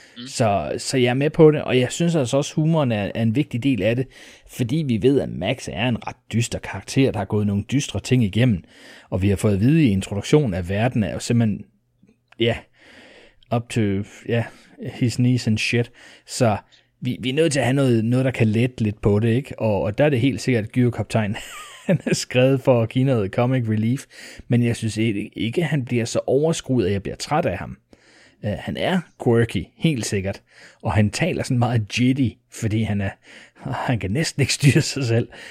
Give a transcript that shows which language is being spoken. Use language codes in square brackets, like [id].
[da] Så jeg er med på det, og jeg synes altså også, at humoren er en vigtig del af det, fordi vi ved, at Max er en ret dyster karakter, der har gået nogle dystre ting igennem. Og vi har fået at vide i introduktionen, at verden er jo simpelthen... [en] Ja, yeah, up to yeah, his knees and shit. [da] Så vi er nødt til at have noget der kan lette lidt på det, ikke? Og der er det helt sikkert, at gyrokaptajn han er skrevet for at give noget comic relief. Men jeg synes ikke, at han bliver så overskruet, at jeg bliver træt af ham. Han er quirky, helt sikkert. Og han taler sådan meget jitty, fordi han kan næsten ikke styre sig selv.